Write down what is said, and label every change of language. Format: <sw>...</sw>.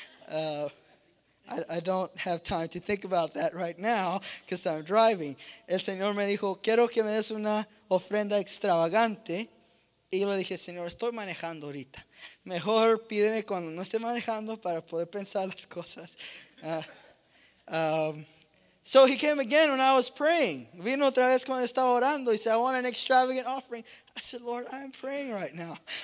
<en>I don't have time to think about that right now because I'm driving.</en> <es>El Señor me dijo, quiero que me des una ofrenda extravagante. Y yo le dije, Señor, estoy manejando ahorita. Mejor pídeme cuando no esté manejando para poder pensar las cosas.</es> <en>So he came again when I was praying.</en> <es>Vino otra vez cuando estaba orando.</es> <en>He said, I want an extravagant offering. I said, Lord, I'm praying right now.</en>